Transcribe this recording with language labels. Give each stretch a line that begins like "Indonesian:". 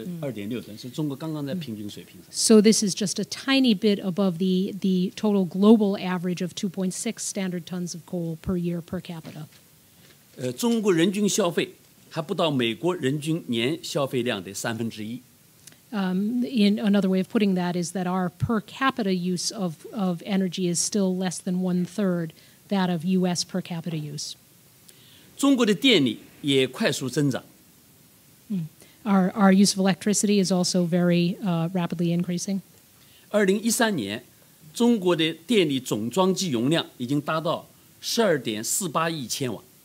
Chinese: 这个数字刚刚略微超过世界人均年能源消费2.6吨标准煤的水平，就全世界每个人一年是2.6吨，是中国刚刚在平均水平。So
English: this is just a tiny bit above the total global average of 2.6 standard tons of coal per year per capita.
Chinese: 中国人均消费还不到美国人均年消费量的1/3。
English: In another way of putting that is that our per capita use of energy is still less than 1/3 that of U.S. per capita use.
Chinese: 中国的电力也快速增长。
English: Our use of electricity is also very rapidly increasing.
Chinese: 2013年, 中国的电力总装机容量已经达到12.48亿千瓦。